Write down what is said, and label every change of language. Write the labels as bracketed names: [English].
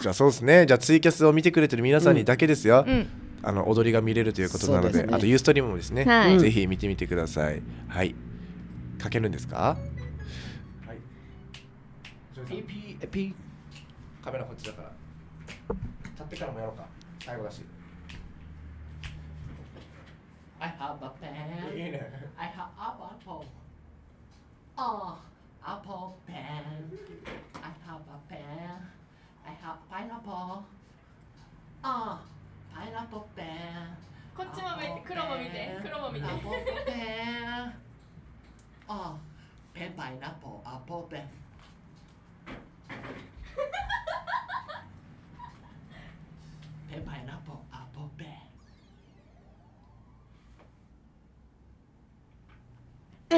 [Japanese] じゃあそうですね、じゃあツイキャスを見てくれてる皆さんにだけですよ、うんうん、あの踊りが見れるということなの で、ね、あとユーストリームもですね、はい、ぜひ見てみてください。はい、書けるんですか、はい、ピーピーピー、カメラこっちだから立ってからもやろうか、最後だし。 [English] I have a pen [Japanese] いいね、 [English] I have a apple、 oh, apple pen、 I have a pen、 I have pineapple、 oh、 パイナポッペン。 [Japanese] こっちも見て、黒も見て、黒も見て。 [English] パイナポッペン。あ、ペンパイナポ、アポペン。ペンパイナポ、アポペン。